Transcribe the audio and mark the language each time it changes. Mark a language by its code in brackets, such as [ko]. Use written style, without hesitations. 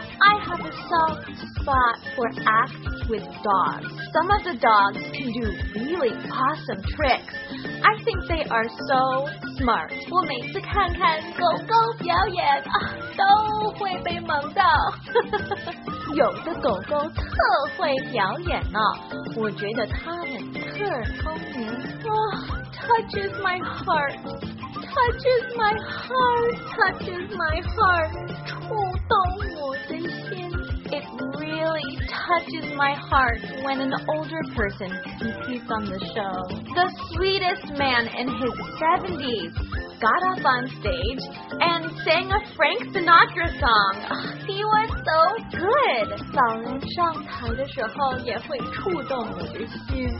[en] I have a soft spot for acts with dogs. Some of the dogs can do really awesome tricks. I think they are so smart. [zh] 我每次看看狗狗表演，都会被萌到。有的狗狗特会表演呢，我觉得它们特聪明。 [en] Touches my heart. Touches my heart, touches my heart, [zh] 触动我的心。 [en] It really touches my heart when an older person competes on the show. The sweetest man in his 70s got up on stage and sang a Frank Sinatra song. He was so good. [zh] 老人上台的时候也会触动我的心。